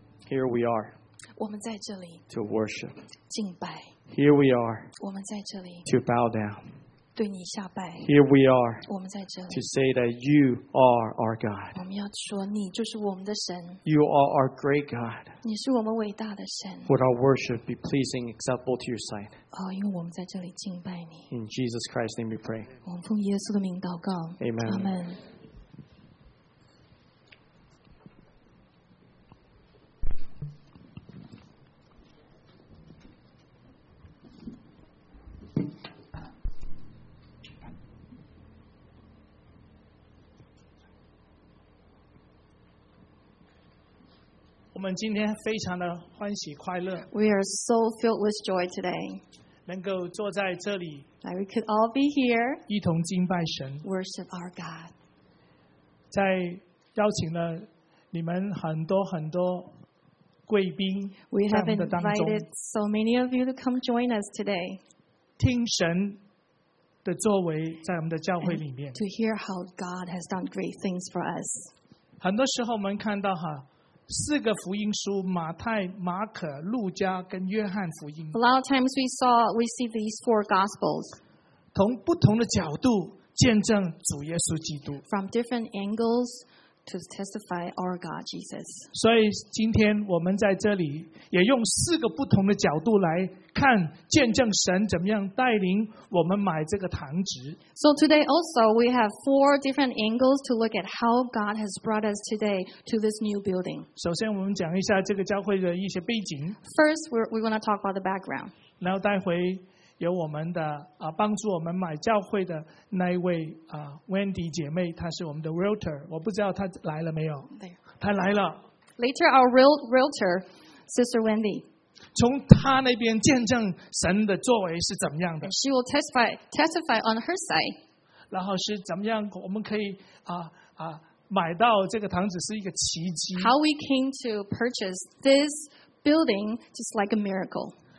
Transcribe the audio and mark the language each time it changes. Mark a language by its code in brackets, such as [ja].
[en] Here we are. [zh] 我们在这里 [en] to worship. [zh] 敬拜 [en] Here we are. [zh] 我们在这里 [en] to bow down. [zh] 对你下拜。 [en] Here we are. [zh] 我们在这里。 [en] To say that you are our God. [zh] 我们要说你就是我们的神。 [en] You are our great God. [zh] 你是我们伟大的神。 [en] Would our worship be pleasing, acceptable to your sight? [zh] 哦，因为我们在这里敬拜你。 [en] In Jesus Christ's name, we pray. [zh] 我们奉耶稣的名祷告。 [en] Amen. Amen. [zh] 我们今天非常的欢喜快乐。 [en] We are so filled with joy today. [zh] 能够坐在这里。 [en] Like we could all be here. [zh] 一同敬拜神。 [en] Worship our God. [zh] 在邀请了你们很多很多贵宾。 [en] We have invited so many of you to come join us today. [zh] 听神的作为在我们的教会里面。 [en] To hear how God has done great things for us. [zh] 很多时候我们看到哈。四个福音书，马太、马可、路加跟约翰福音。 [en] A lot of times we see these four gospels. [zh] 从不同的角度见证主耶稣基督。 [en] From different angles to testify our God Jesus. [zh] 所以今天我们在这里也用四个不同的角度来看见证神怎么样带领我们买这个堂职。 [en] So today also we have four different angles to look at how God has brought us today to this new building. [zh] 首先我们讲一下这个教会的一些背景。 [en] First we want to talk about the background. [zh] 然后待会有我们的帮助我们买教会的那一位Wendy 姐妹，她是我们的 realtor， 我不知道她来了没有。她来了。 [en] Later our realtor, Sister Wendy. [zh] 从她那边见证神的作为是怎么样的。 [en] She will testify on her side. [zh] 然后是怎么样我们可以买到这个堂子是一个奇迹。 [en] How we came to purchase this building just like a miracle.